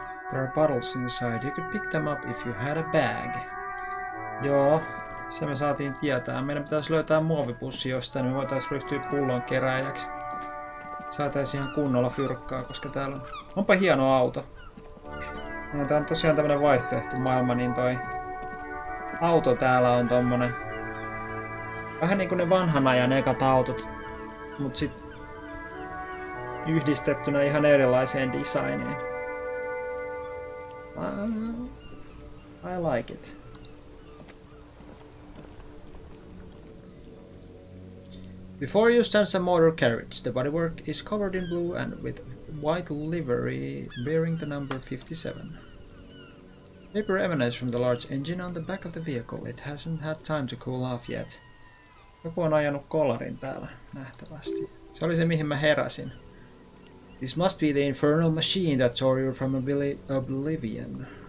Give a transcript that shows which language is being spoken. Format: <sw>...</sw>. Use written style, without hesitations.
<en>There are bottles inside. You could pick them up if you had a bag.</en> <fi>Joo, se me saatiin tietää. Meidän pitäisi löytää muovipussi jostain, niin me voitaisiin ryhtyä pullon keräjäksi. Saataisiin ihan kunnolla fyrkkaa, koska täällä on... Onpa hieno auto. Ja tää on tosiaan tämmönen vaihtoehto maailma, niin toi auto täällä on tommonen... Vähän niinku ne vanhan ajan ekat autot, mut sit yhdistettynä ihan erilaiseen designiin.</fi> <en>I like it. Before you stands a motor carriage, the bodywork is covered in blue and with white livery bearing the number 57. Vapor emanates from the large engine on the back of the vehicle. It hasn't had time to cool off yet.</en> <fi>Joku on ajanut kolarin täällä, nähtävästi. Se oli se, mihin mä heräsin.</fi> <en>This must be the infernal machine that tore you from oblivion.</en>